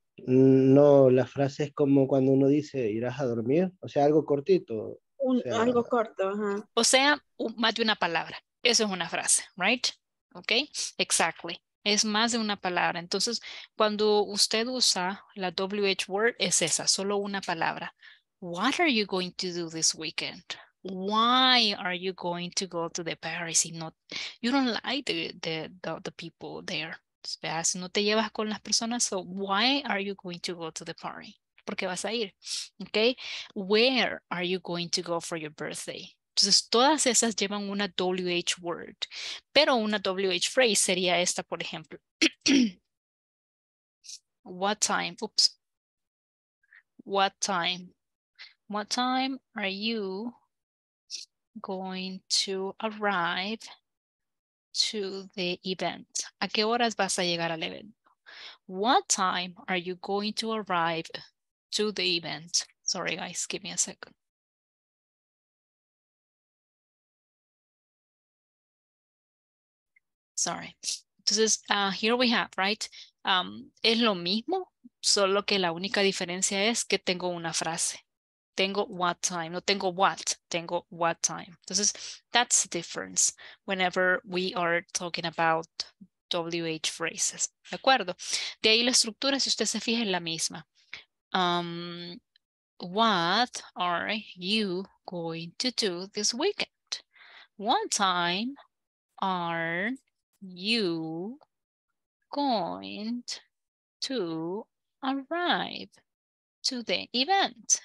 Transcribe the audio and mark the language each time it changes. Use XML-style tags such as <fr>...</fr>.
<es>No, la frase es como cuando uno dice, ¿irás a dormir? O sea, algo cortito. Algo corto, ajá. O sea, más de una palabra. Eso es una frase, right? Ok, exactly. Es más de una palabra. Entonces, cuando usted usa la WH word, es esa, solo una palabra.</es> <en>What are you going to do this weekend? Why are you going to go to the Paris? You don't like the people there.</en> <es>Si no te llevas con las personas,</es> <en>so why are you going to go to the party?</en> <es>¿Por qué vas a ir? Okay.</es> <en>Where are you going to go for your birthday?</en> <es>Entonces, todas esas llevan una WH word. Pero una WH phrase sería esta, por ejemplo.</es> <en>What time? Oops. What time? What time are you going to arrive to the event?</en> <es>¿A qué horas vas a llegar al evento?</es> <en>What time are you going to arrive to the event? Sorry guys, give me a second. Sorry. Entonces, here we have, right?</en> <es>Es lo mismo, solo que la única diferencia es que tengo una frase. Tengo what time, no tengo what, tengo what time.</es> <en>Entonces, that's the difference whenever we are talking about WH phrases.</en> <es>¿De acuerdo? De ahí la estructura, si usted se fija, es la misma.</es> <en>What are you going to do this weekend? What time are you going to arrive to the event?</en>